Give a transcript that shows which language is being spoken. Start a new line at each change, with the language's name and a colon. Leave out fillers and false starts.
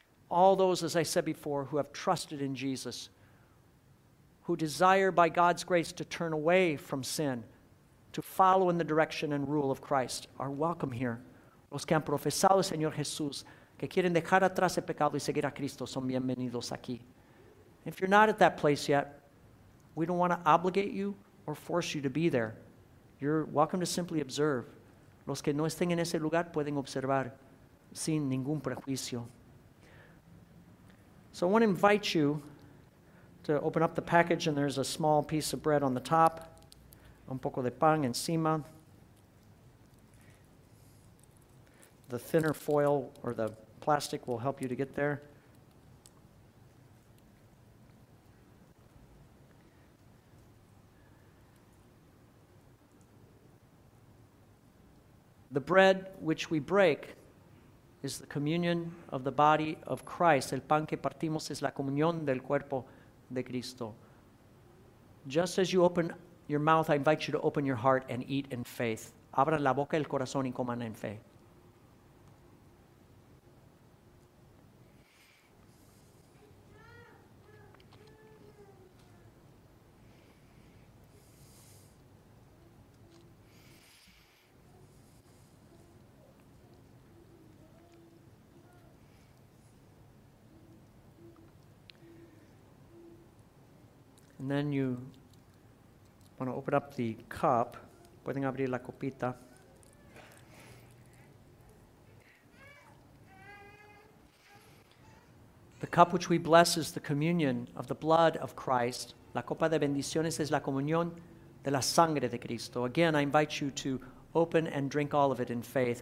English: All those, as I said before, who have trusted in Jesus, who desire by God's grace to turn away from sin, to follow in the direction and rule of Christ, are welcome here.
Spanish: Los que han profesado el Señor Jesús, que quieren dejar atrás el pecado y seguir a Cristo, son bienvenidos aquí.
English: If you're not at that place yet, we don't want to obligate you or force you to be there. You're welcome to simply observe.
Spanish: Los que no estén en ese lugar pueden observar sin ningún prejuicio.
English: So I want to invite you to open up the package, and there's a small piece of bread on the top,
Spanish: un poco de pan encima.
English: the thinner foil or the plastic will help you to get there. The bread which we break is the communion of the body of Christ.
Spanish: El pan que partimos es la comunión del cuerpo de Cristo.
English: Just as you open your mouth, I invite you to open your heart and eat in faith.
Spanish: Abran la boca y el corazón y coman en fe.
English: And then you want to open up the cup.
Spanish: Pueden abrir la copita.
English: The cup which we bless is the communion of the blood of Christ.
Spanish: La copa de bendiciones es la comunión de la sangre de Cristo.
English: Again, I invite you to open and drink all of it in faith.